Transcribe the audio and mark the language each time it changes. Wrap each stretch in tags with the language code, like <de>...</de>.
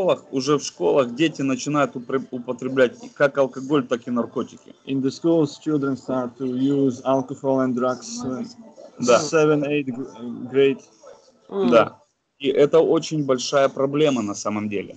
<ru>Уже в школах дети начинают употреблять как алкоголь, так и наркотики.</ru> <en>In the schools, children start to use alcohol and drugs. Да. 7-8 grade.</en> <ru>Да. И это очень большая проблема на самом деле.</ru>